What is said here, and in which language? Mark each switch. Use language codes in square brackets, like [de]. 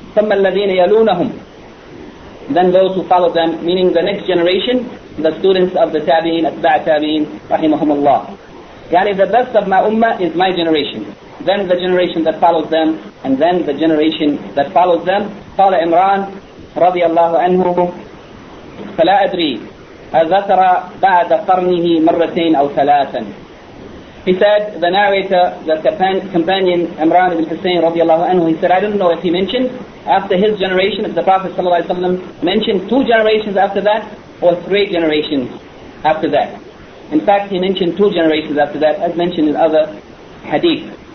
[ar] ثم الذين يلونهم. [en] Then those who follow them, meaning the next generation, the students of the tabi'in, atba' tabi'in, rahimahum Allah. يعني the best of my ummah is my generation. Then the generation that follows them, and then the generation that follows them. [ar] قال إمران رضي الله عنه فلا أدري أذكر بعد قرنه مرتين أو ثلاثا. [en] He said, the narrator, the companion Imran ibn Hussein radiallahu anhu, he said, I don't know if he mentioned after his generation, if the Prophet sallallahu alayhi wa sallam mentioned two generations after that or three generations after that. In fact, he mentioned two generations after that, as mentioned in other hadith.